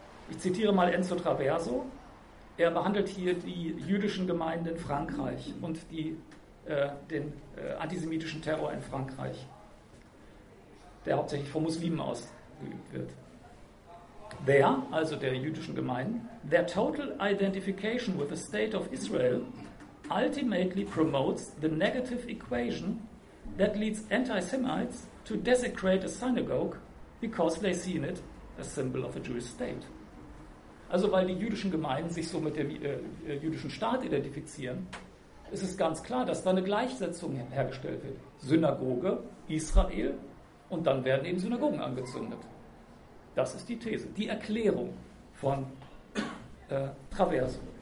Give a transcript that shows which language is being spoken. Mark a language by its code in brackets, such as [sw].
[de] Ich zitiere mal Enzo Traverso. Er behandelt hier die jüdischen Gemeinden in Frankreich und den antisemitischen Terror in Frankreich, der hauptsächlich von Muslimen ausgeübt wird. [en] There, [de] also der jüdischen Gemeinden, [en] their total identification with the state of Israel ultimately promotes the negative equation that leads anti-Semites to desecrate a synagogue because they see in it a symbol of a Jewish state. [de] Also weil die jüdischen Gemeinden sich so mit dem jüdischen Staat identifizieren, ist es ganz klar, dass da eine Gleichsetzung hergestellt wird. Synagoge, Israel, und dann werden eben Synagogen angezündet. Das ist die These, die Erklärung von Traverso.